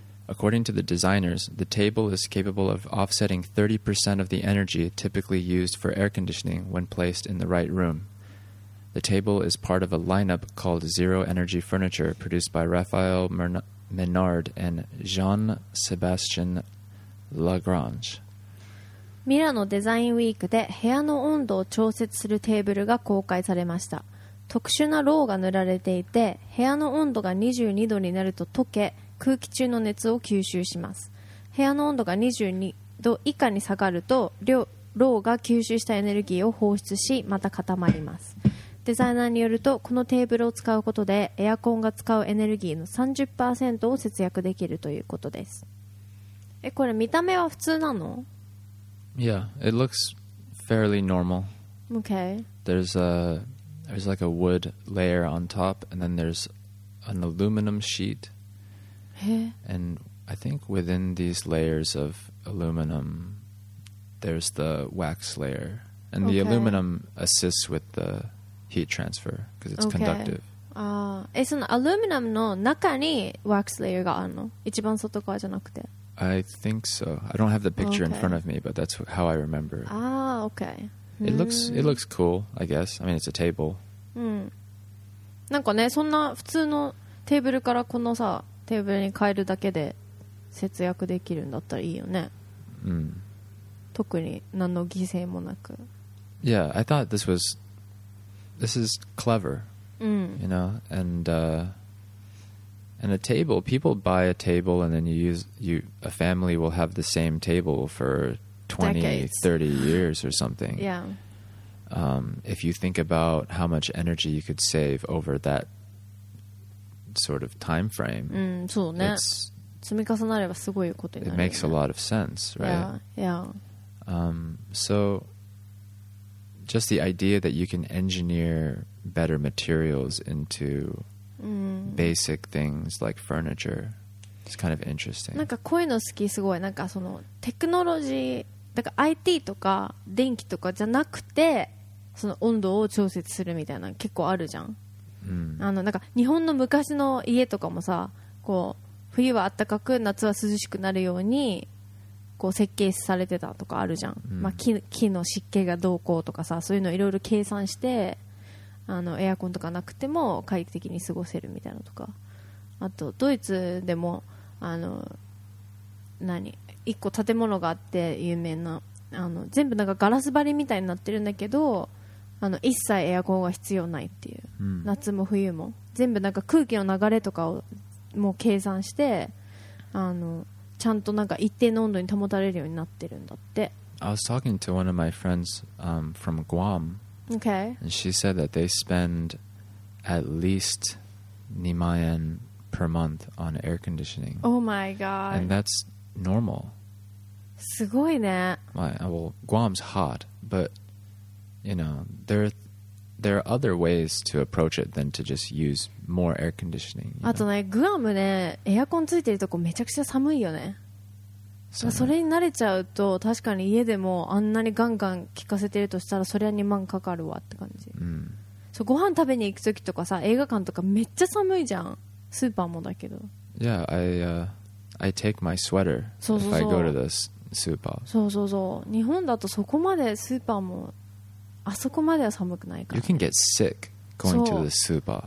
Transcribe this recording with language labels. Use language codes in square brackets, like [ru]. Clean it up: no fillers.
[en] According to the designers, the table is capable of offsetting 30% of the energy typically used for air conditioning when placed in the right room. The table is part of a lineup called Zero Energy Furniture produced by Raphael Menard and Jean-Sébastien Lagrange. [ja] ミラノデザインウィークで部屋の温度を調節するテーブルが公開されました。特殊なロウが塗られていて、部屋の温度が22度になると溶け、空気中の熱を吸収します。部屋の温度が22度以下に下がると、ロウが吸収したエネルギーを放出し、また固まります。デザイナーによると、このテーブルを使うことで、エアコンが使うエネルギーの 30% を節約できるということです。え、これ見た目は普通なの？ [en] Yeah, it looks fairly normal. Okay. There's like a wood layer on top, and then there's an aluminum sheet. And I think within these layers of aluminum, there's the wax layer. And the aluminum assists with the heat transfer, because it's conductive. [ja] そのアルミナムの中にワックスレイヤーがあるの？一番外側じゃなくて。 [en] I think so. I don't have the picture in front of me, but that's how I remember. Okay. It looks cool, I guess. I mean, it's a table. [ja] なんかね、そんな普通のテーブルからこのさ、テーブルに変えるだけで節約できるんだったらいいよね。特に何の犠牲もなく。 [en] Yeah, I thought this is clever. You know, and a table, people buy a table and then a family will have the same table for 20, 30 years or something. Yeah. If you think about how much energy you could save over that sort of time frame, [ja] そうね。積み重なればすごいことになる。 [en] It makes a lot of sense, right? Yeah. So just the idea that you can engineer better materials into basic things like furniture is kind of interesting. [ja] なんか声の好きすごい。なんかそのテクノロジー、なんか IT とか電気とかじゃなくて、その温度を調節するみたいな結構あるじゃん。あのなんか日本の昔の家とかもさ、こう冬は暖かく夏は涼しくなるようにこう設計されてたとかあるじゃん、まあ、木の湿気がどうこうとかさ、そういうのいろいろ計算して、あのエアコンとかなくても快適に過ごせるみたいなとか、あとドイツでもあの何一個建物があって有名な、あの全部なんかガラス張りみたいになってるんだけど、あの一切エアコンが必要ないっていう、夏も冬も全部なんか空気の流れとかをもう計算して、あのちゃんとなんか一定の温度に保たれるようになってるんだって。 [en] I was talking to one of my friends from Guam. Okay. And she said that they spend at least 20,000 yen per month on air conditioning. Oh my god. And that's normal. [ja] すごいね。 [en] Well, Guam's hot, but you know, there are other ways to approach it than to just use more air conditioning. [ja] あとね、グアムね、エアコンついてるとこめちゃくちゃ寒いよね。そうね。それに慣れちゃうと、確かに家でもあんなにガンガン効かせてるとしたら、そりゃ2万かかるわって感じ。そう、ご飯食べに行くときとかさ、映画館とかめっちゃ寒いじゃん。スーパーもだけど。 [en] Yeah, I take my sweater if I go to the super. [ja] そうそうそう。日本だとそこまでスーパーも、あそこまでは寒くないから、 [en] ね。You can get sick going to the super.